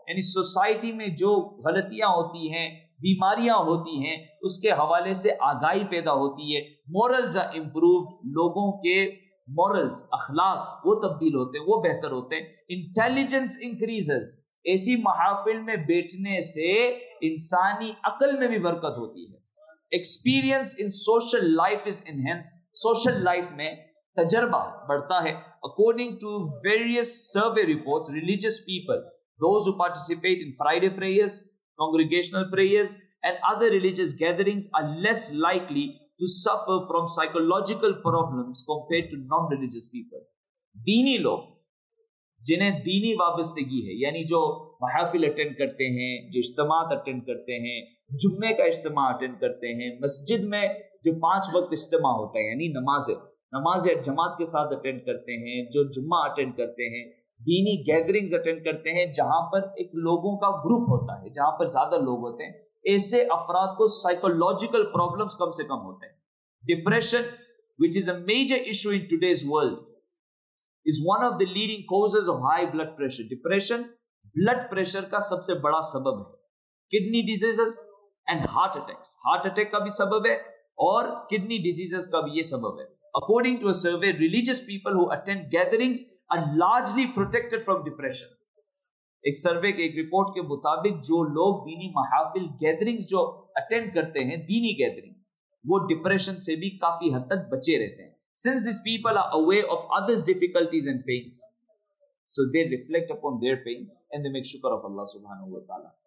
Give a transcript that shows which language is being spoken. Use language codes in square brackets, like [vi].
[ur] یعنی society میں جو غلطیاں ہوتی ہیں, بیماریاں ہوتی ہیں, اس کے حوالے سے آگاہی پیدا ہوتی ہے. [en] Morals are improved. [ur] لوگوں کے morals, اخلاق, وہ تبدیل ہوتے ہیں, وہ بہتر ہوتے ہیں. [en] Intelligence increases. [ur] ایسی محافل میں بیٹھنے سے انسانی عقل میں بھی برکت ہوتی ہے. [en] Experience in social life is enhanced. [ur] Social life میں تجربہ بڑھتا ہے. [en] According to various survey reports, religious people, those who participate in Friday prayers, congregational prayers and other religious gatherings are less likely to suffer from psychological problems compared to non-religious people. [ur] دینی لوگ جنہیں دینی وابستگی ہے, یعنی جو محافل attend کرتے ہیں, جو اجتماعات اٹینڈ کرتے ہیں, جمعے کا اجتماع اٹینڈ کرتے ہیں, مسجد میں جو پانچ وقت اجتماع ہوتا ہے یعنی نماز جماعت کے ساتھ اٹینڈ کرتے ہیں, جو جمعہ اٹینڈ کرتے ہیں, دینی گیدرنگز اٹینڈ کرتے ہیں جہاں پر ایک لوگوں کا گروپ ہوتا ہے, جہاں پر زیادہ لوگ ہوتے ہیں, ایسے افراد کو سائیکولوجیکل پرابلمس کم سے کم ہوتے ہیں. [en] Depression, which is a major issue in today's world, is one of the leading causes of high blood pressure. [ur] Depression, blood pressure کا سب سے بڑا سبب ہے. [en] Kidney diseases and heart attacks. [ur] Heart attack کا بھی سبب ہے اور kidney diseases کا بھی یہ سبب ہے. [en] According to a survey, religious people who attend gatherings are largely protected from depression. [ur] ایک سروے کے ایک رپورٹ کے مطابق جو لوگ دینی محافل gatherings جو attend کرتے ہیں, دینی gathering, وہ depression سے بھی کافی حد تک بچے رہتے ہیں. [en] Since these people are aware of others' difficulties and pains, so they reflect upon their pains and they make shukr of Allah subhanahu wa ta'ala.